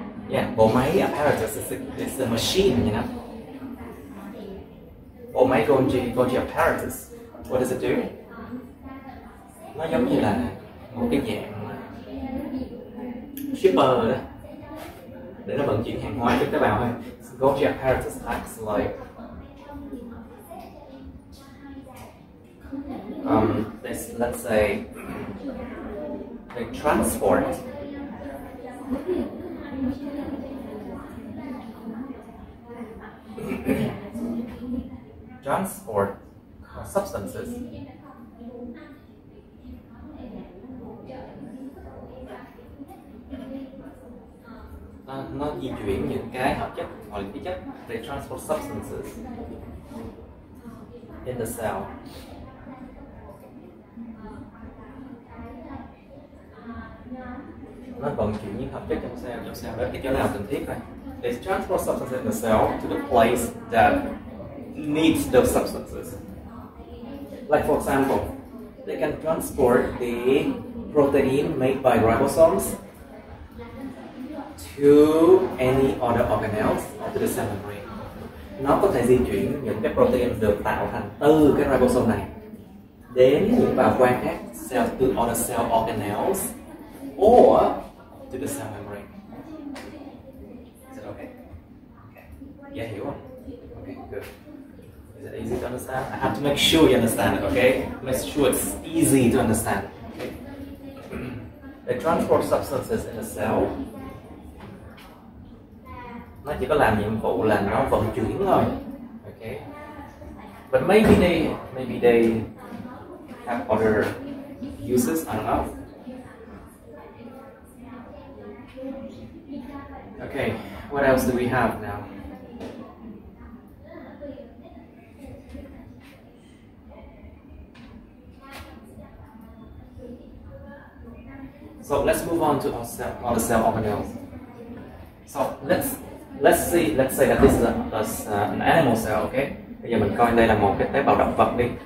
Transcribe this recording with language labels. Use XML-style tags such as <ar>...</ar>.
<en>Yeah,</en> <vi>bộ máy</vi> <en>apparatus is a machine, you know.</en> <vi>Bộ máy</vi> <en>Golgi apparatus. What does it do?</en> <vi>Nó giống như là một cái dạng shipper đó, để nó vận chuyển hàng hóa cho tế bào thôi.</vi> <en>Golgi apparatus acts like this, let's say they transport transport substances</en> <vi>nó di chuyển những cái hợp chất hoặc là cái chất,</vi> <en>they transport substances in the cell.</en> <vi>Nó vận chuyển những hợp chất trong cell đó cái chỗ nào cần thiết này.</vi> <en>They transport substances in the cell to the place that needs those substances. Like for example, they can transport the protein made by ribosomes to any other organelles or to the cell membrane.</en> <vi>Nó có thể di chuyển những cái protein được tạo thành từ cái ribosome này đến những bào quan khác,</vi> <en>cell to other cell organelles or to the cell membrane. Is it okay? Okay. Yeah,</en> <vi>hiểu không?</vi> <en>Okay, good. Is it easy to understand? I have to make sure you understand it, okay? Make sure it's easy to understand. Okay. They transport substances in the cell.</en> <vi>Nó chỉ có làm nhiệm vụ là nó vận chuyển thôi.</vi> <en>Okay. But maybe they have other uses, I don't know. Okay, what else do we have now? So let's move on to our cell organelles. So let's say that this is an animal cell, okay?</en> <vi>Bây giờ mình coi đây là một cái tế bào động vật đi.</vi>